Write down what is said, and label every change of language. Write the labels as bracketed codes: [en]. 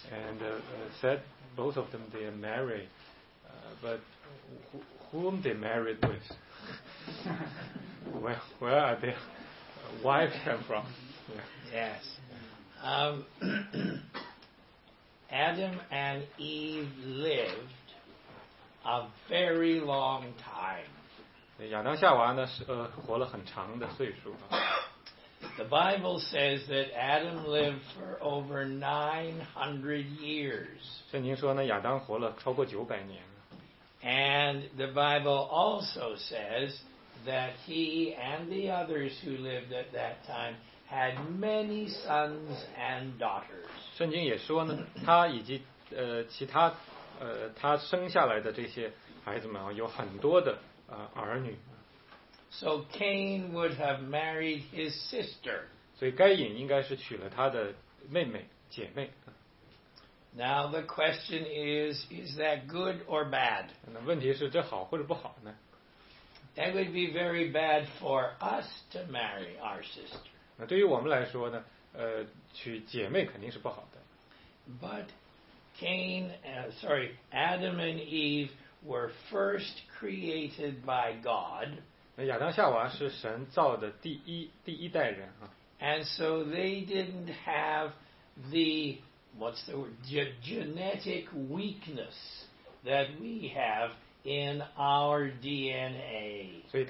[en] And said both of them they are married, but whom they married with? where are their wives come from? Yes. Adam and Eve lived a very long time. [zh] 亚当夏娃呢, 活了很长的岁数。 [en] The Bible says that Adam lived for over 900 years. [zh] 圣经说呢, 亚当活了超过900年。 [en] And the Bible also says that he and the others who lived at that time had many sons and daughters. [zh] 圣经也说呢, 他以及, 其他, 他生下来的这些孩子们, 有很多的, 儿女。 [en] So Cain would have married his sister. [zh] 所以该隐应该是娶了他的妹妹姐妹。 [en] Now the question is that good or bad? [zh] 那问题是这好或者不好呢? [en] That would be very bad for us to marry our sister. [zh] 那对于我们来说呢, 娶姐妹肯定是不好的。 [en] But Adam and Eve were first created by God. [zh] 亚当夏娃是神造的第一代人啊。 [en] And so they didn't have the genetic weakness that we have in our DNA.